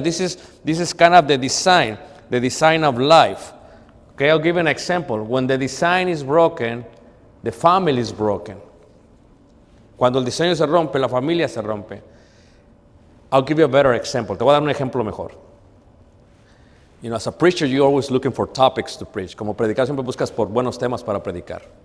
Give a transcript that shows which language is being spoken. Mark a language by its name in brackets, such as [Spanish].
[English] This is kind of the design of life. Okay, I'll give an example. When the design is broken, the family is broken. [Spanish] Cuando el diseño se rompe, la familia se rompe. [English] I'll give you a better example. [Spanish] Te voy a dar un ejemplo mejor. [English] You know, as a preacher, you're always looking for topics to preach. [Spanish] Como predicador, siempre buscas por buenos temas para predicar.